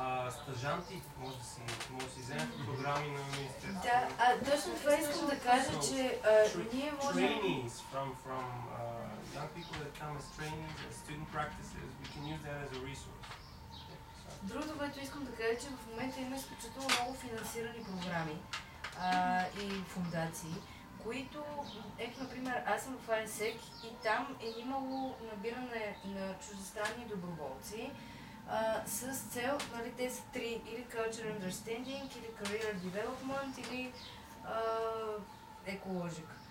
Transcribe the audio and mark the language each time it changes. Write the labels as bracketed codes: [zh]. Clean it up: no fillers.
[bg] Стажанти, може да си вземем програми на университета. Да, точно това искам да кажа, че ние можем... [en] Trainees from young people that come as trainees, as student practices, we can use that as a resource. [bg] Другото, което искам да кажа, че в момента има изключително много финансирани програми и фондации, които, ето, например, аз съм в АНСЕК и там е имало набиране на чуждестранни доброволци, с цел, нали, те са три, или Culture Understanding, или Career Development, или Ecologic.